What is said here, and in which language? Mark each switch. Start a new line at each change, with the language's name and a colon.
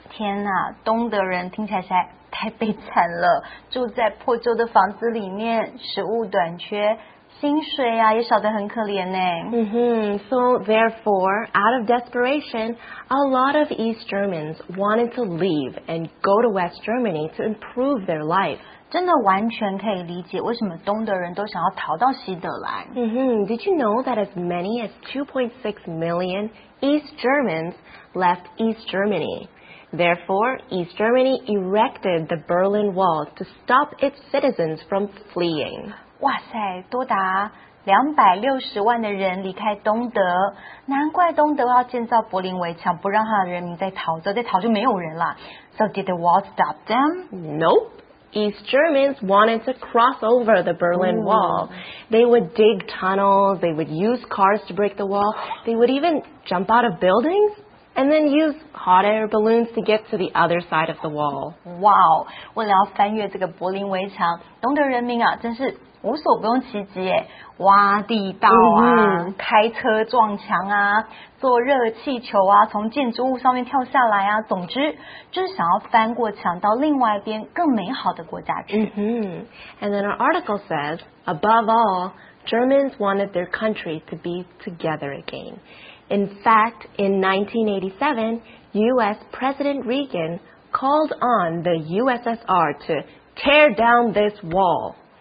Chinese: 天哪，东德人听起来实在太悲惨了，住在破旧的房子里面，食物短缺，薪水啊也少得很可怜呢。
English: Mm-hmm. So therefore, out of desperation, a lot of East Germans wanted to leave and go to West Germany to improve their life.
Chinese: 真的完全可以理解为什么东德人都想要逃到西德来。 Mm-hmm.
English: Did you know that as many as 2.6 million East Germans left East Germany? Therefore, East Germany erected the Berlin Wall to stop its citizens from fleeing.
Chinese: 哇塞，多达260万的人离开东德，难怪东德要建造柏林围墙，不让他的人民再逃走，再逃就没有人了。
English: So did the wall stop them? Nope. East Germans wanted to cross over the Berlin Wall. They would dig tunnels, they would use cars to break the wall, they would even jump out of buildings and then use hot air balloons to get to the other side of the wall.
Chinese: Wow, 为了要翻越这个柏林围墙，东德人民啊，真是无所不用其极耶，挖地道啊，开车撞墙啊，坐热气球啊，从建筑物上面跳下来啊，总之就是想要翻过墙到另外一边更美好的国家去。 Mm-hmm.
English: And then our article says, above all, Germans wanted their country to be together again. In fact, in 1987, U.S. President Reagan called on the USSR to tear down this wall.